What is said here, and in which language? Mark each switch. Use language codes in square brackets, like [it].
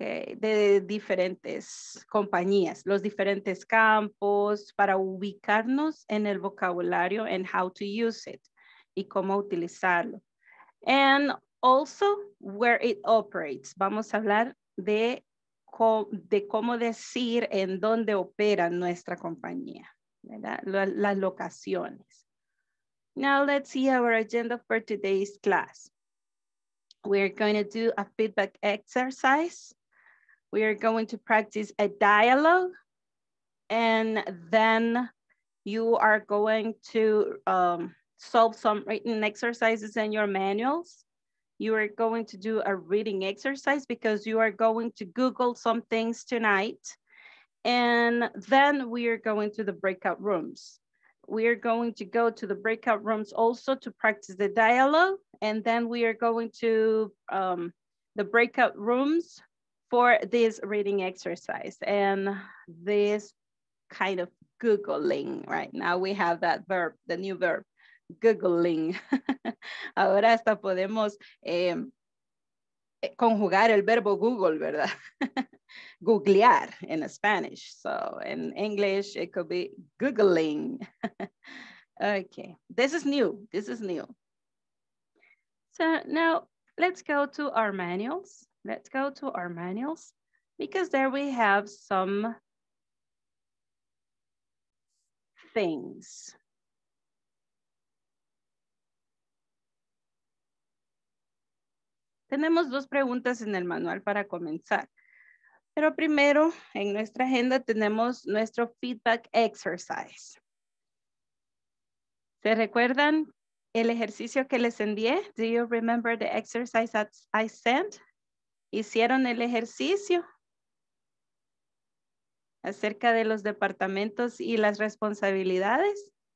[es] de diferentes compañías, los diferentes campos, para ubicarnos en el vocabulario [en] and how to use it [es] y cómo utilizarlo. [en] And also where it operates. [es] Vamos a hablar de cómo decir en dónde opera nuestra compañía, ¿verdad? Las locaciones. [en] Now let's see our agenda for today's class. We're going to do a feedback exercise. We are going to practice a dialogue, and then you are going to solve some written exercises in your manuals. You are going to do a reading exercise because you are going to Google some things tonight. And then we are going to the breakout rooms. We are going to go to the breakout rooms also to practice the dialogue. And then we are going to the breakout rooms for this reading exercise and this kind of Googling. Right now we have that verb, the new verb, Googling. [es] Ahora hasta podemos conjugar el verbo Google, ¿verdad? [en] Googlear in Spanish. So in English, it could be Googling. Okay, this is new. This is new. So now let's go to our manuals. Let's go to our manuals because there we have some things. [es] Tenemos dos preguntas en el manual para comenzar. Pero primero, en nuestra agenda tenemos nuestro [en] feedback exercise. [es] ¿Se recuerdan el ejercicio que les envié? [en] Do you remember the exercise that I sent? [es] ¿Hicieron el ejercicio acerca de los departamentos y las responsabilidades?